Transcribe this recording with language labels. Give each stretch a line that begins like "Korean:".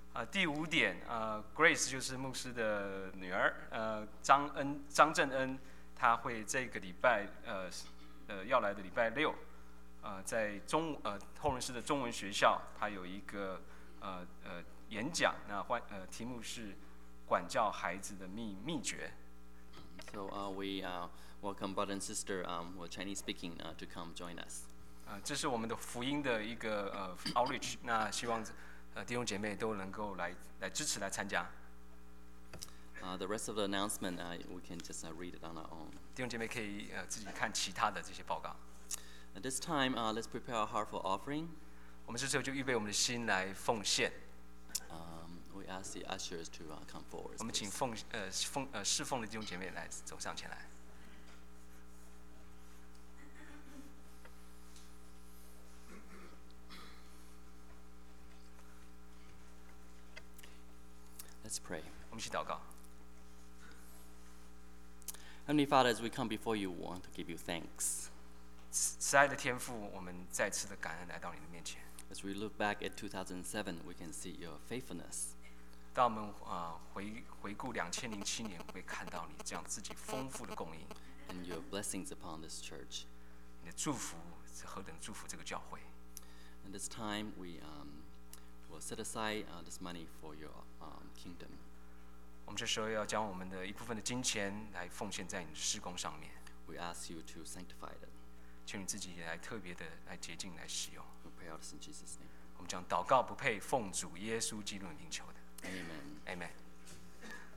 Chinese: 第五点Grace 就是牧师的女儿张正恩她会这个礼拜要来的礼拜六在中后仁寺的中文学校她有一个演讲那题目是管教孩子的秘诀
English: So we welcome brother and sister who are Chinese speaking to come join us
Chinese: 这是我们的福音的一个outreach 那希望弟兄姐妹都能够 来支持来参加。
English: The rest of the announcement, we can just read it on our own.
Chinese: 弟兄姐妹可以自己看其他的这些报告。
English: At this time, let's prepare our heart for offering.
Chinese: 我们这时候就预备我们的心来奉献。
English: We ask the ushers to come forward.
Chinese: 我们请侍奉的弟兄姐妹来走上前来。
English: Let's pray.
Chinese: 我们一起祷告。
English: Heavenly Father, as we come before you, we want to give you thanks.
Chinese: 慈爱的天父，我们再次的感恩来到你的面前。
English: As we look back at 2007, we can see your faithfulness.
Chinese: 当我们回顾2007年，会看到你这样自己丰富的供应。
English: And your blessings upon this church.
Chinese: 你的祝福是何等祝福这个教会。
English: And this time we will set aside this money for your kingdom.
Chinese: 我们这时候要将我们的一部分的金钱来奉献在你的事工上面。
English: We ask you to sanctify it.
Chinese: 请你自己来特别的来洁净来使用。
English: We pray all this in Jesus' name.
Chinese: 我们将祷告不配奉主耶稣基督的名求的。
English: Amen. Amen.